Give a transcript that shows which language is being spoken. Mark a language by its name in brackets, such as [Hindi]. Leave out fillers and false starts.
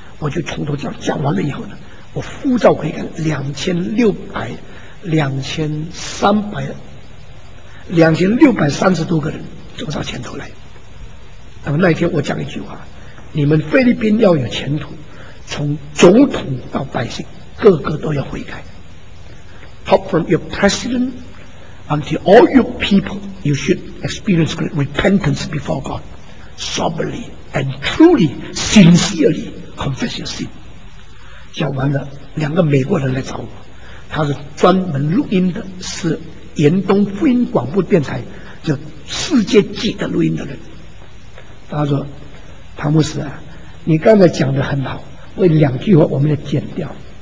[Chinese] 我就从头讲，讲完了以后呢，我呼召回看2630多个人走上前头来。那么那一天我讲一句话，你们菲律宾要有前途，从总统到百姓个个都要悔改。 [English] Top from your president until all your people, you should experience great repentance before God, soberly and truly, sincerely confess your sin. [Chinese] 讲完了，两个美国人来找我，他是专门录音的，是严冬福音广播电台叫世界级的录音的人。他说，唐牧师啊，你刚才讲得很好，为两句话我们要剪掉。